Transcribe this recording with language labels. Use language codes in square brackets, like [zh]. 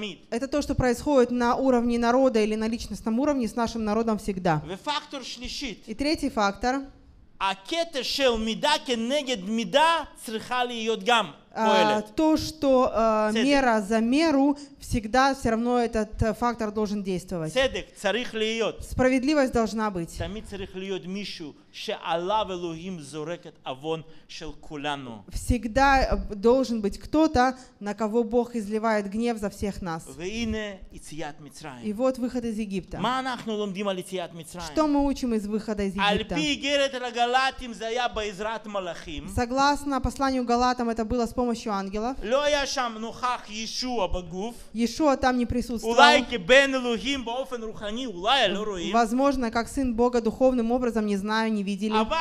[ru] Это то, что происходит на уровне народа или на личностном уровне с нашим народом всегда. И третий фактор. [he] הקטע של מידה כנגד מידה צריכה להיות גם פועלת. [ru] То, что мера за меру, всегда все равно этот фактор должен действовать. [he] Цедек צריך להיות. [ru] Справедливость должна быть. [he] תמיד צריך להיות מישהו שעליו אלוהים זורקת אבון של כולנו. [ru] Всегда должен быть кто-то, на кого Бог изливает гнев за всех нас. [he] והנה יציאת מצרים. [ru] И вот выход из Египта. [he] מה אנחנו לומדים על יציאת מצרים? [ru] Что мы учим из выхода из Египта? [he] על פי איגרת לגלטים זה היה בעזרת מלאכים. [ru] Согласно посланию галатам, это было с помощью ангелов. [he] לא היה שם נוכח ישוע בגוף. [ru] ישוע там не присутствовал. [he] אולי כבן אלוהים באופן רוחני, אולי לא רואים. [ru] Возможно, как сын Бога духовным образом, не знаю, не видели.